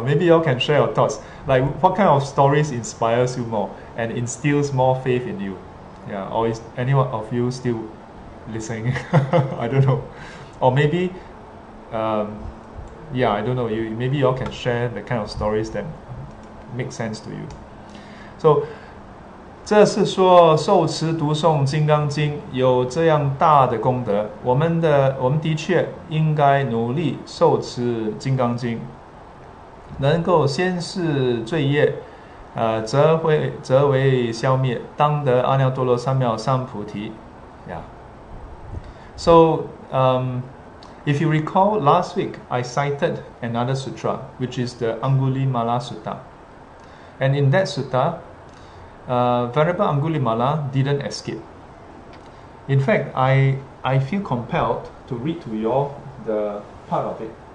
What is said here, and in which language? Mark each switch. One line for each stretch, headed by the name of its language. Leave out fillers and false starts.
English: Maybe you all can share your thoughts. Like, what kind of stories inspires you more and instills more faith in you? Yeah, or is any one of you still listening? I don't know. Or maybe, I don't know. Maybe you all can share the kind of stories that make sense to you.
Chinese: So, 这是说受持读诵金刚经有这样大的功德，我们的我们的确应该努力受持金刚经，能够先是罪业，则为消灭，当得阿耨多罗三藐三菩提。Yeah.
English: So, if you recall last week, I cited another sutra, which is the Angulimala Sutta, and in that sutta, Venerable Angulimala didn't escape. In fact, I feel compelled to read to you all the part of it.